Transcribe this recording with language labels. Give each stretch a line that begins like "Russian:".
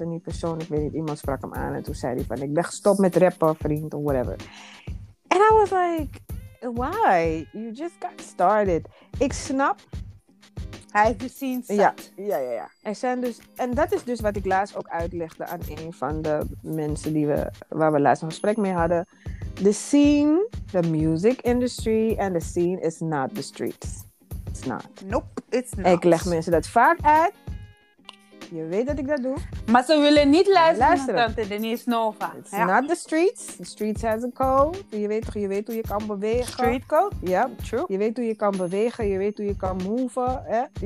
Dutch: En die persoon, ik weet niet, iemand sprak hem aan. En toen zei hij van, ik ben gestopt met rappen, vriend, of whatever.
English: En I was like... Why? You just got started.
Dutch: Ik snap. Hij heeft de scene zat. Ja, ja, ja. Ja. Er zijn dus, en dat is dus wat ik laatst ook uitlegde aan een van de mensen waar we laatst een gesprek mee hadden.
English: The scene, the music industry, and the scene is not the streets. It's not. Nope, it's not.
Dutch: Ik leg mensen dat vaak uit. Je weet dat ik dat doe. Maar ze willen niet luisteren naar Tante Denise Nova.
English: It's ja. not the streets. The streets has a code.
Dutch: Je weet hoe je kan bewegen.
English: Street code?
Dutch: Ja, yep. True. Je weet hoe je kan bewegen. Je weet hoe je kan moven. Hè?